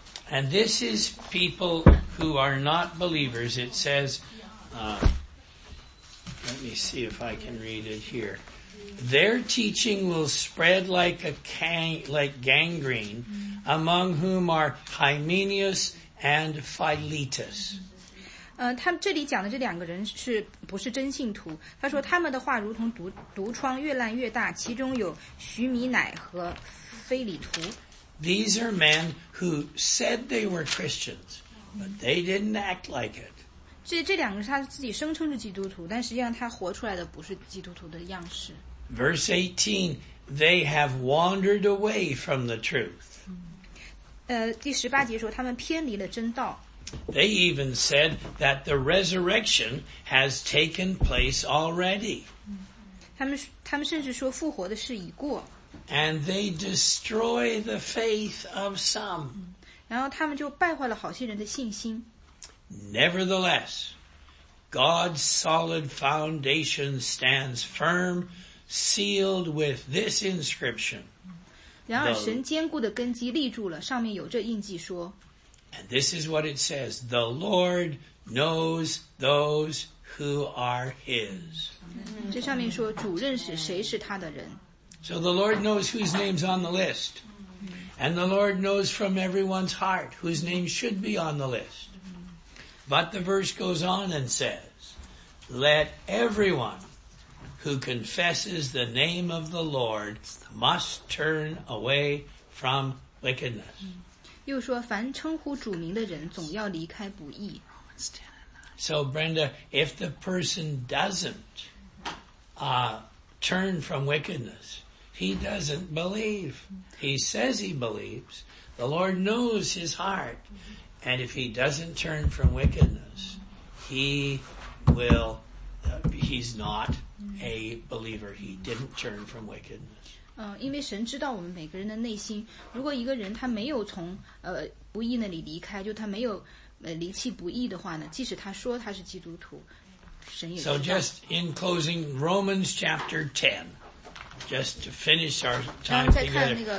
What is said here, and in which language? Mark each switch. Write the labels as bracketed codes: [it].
[en] And this is people who are not believers. It says, let me see if I can read it here. Their teaching will spread like a gangrene among whom are Hymenaeus and Philetus. [zh] 他们这里讲的这两个人是不是真信徒，他说他们的话如同 毒疮越烂越大，其中有徐米乃和菲里图。 [en] These are men who said they were Christians, but they didn't act like it. [zh] 这两个是他自己声称是基督徒，但实际上他活出来的不是基督徒的样式。 [en] Verse 18, they have wandered away from the truth. [zh] 第十八节说他们偏离了真道。 [en] They even said that the resurrection has taken place already. [zh] 他们甚至说复活的事已过。 [en] And they destroy the faith of some. [zh] 然后他们就败坏了好些人的信心。 [en] Nevertheless, God's solid foundation stands firm, sealed with this inscription. [zh] 然而神坚固的根基立住了，上面有这印记说。 [en] And this is what it says, the Lord knows those who are his. [zh] 这上面说主认识谁是他的人。 [en] So the Lord knows whose name's on the list. And the Lord knows from everyone's heart whose name should be on the list. But the verse goes on and says, let everyone who confesses the name of the Lord must turn away from wickedness. [zh] 又说凡称呼主名的人总要离开不义。 [en] So Brenda, if the person doesn't, turn from wickedness,He doesn't believe. He says he believes. The Lord knows his heart. And if he doesn't turn from wickedness, he will, he's not a believer. He didn't turn from wickedness. [zh] 因为神知道我们每个人的内心，如果一个人他没有从不义那里离开，就他没有离弃不义的话呢，即使他说他是基督徒，神也知道。 [en] So just in closing, Romans chapter 10. Just to finish our time together.